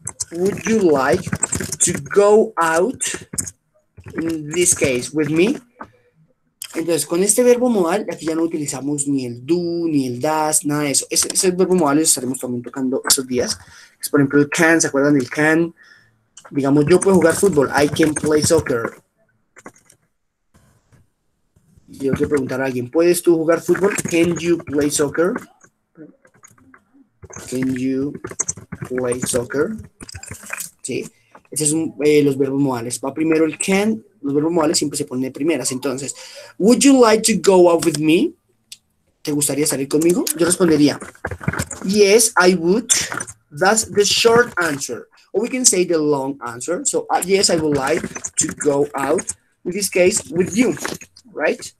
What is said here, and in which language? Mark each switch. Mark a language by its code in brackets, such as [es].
[en] Would you like to go out, in this case, with me? [es] Entonces, con este verbo modal, aquí ya no utilizamos ni el do, ni el does, nada de eso. Ese verbo modal lo estaremos también tocando esos días. Es, por ejemplo, el can, ¿se acuerdan del can? Digamos, yo puedo jugar fútbol. [en] I can play soccer. [es] Y yo quiero preguntar a alguien, ¿puedes tú jugar fútbol? [en] Can you play soccer? Can you play soccer? Sí. [es] Ese es los verbos modales. Va primero el can. Los verbos modales siempre se ponen de primeras. [en] Entonces, would you like to go out with me? [es] ¿Te gustaría salir conmigo? Yo respondería, [en] yes, I would. That's the short answer. Or we can say the long answer. So, yes, I would like to go out, in this case, with you, right?